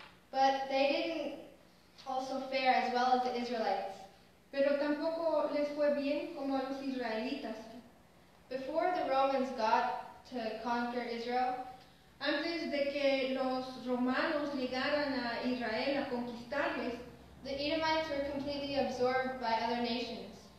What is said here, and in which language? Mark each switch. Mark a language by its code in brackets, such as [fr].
[en] But they didn't also fare as well as the Israelites. [es] Pero tampoco les fue bien como a los israelitas. [en] Before the Romans got to conquer Israel, [es] antes de que los romanos llegaran a Israel a conquistarles, [en] the Edomites were completely absorbed by other nations.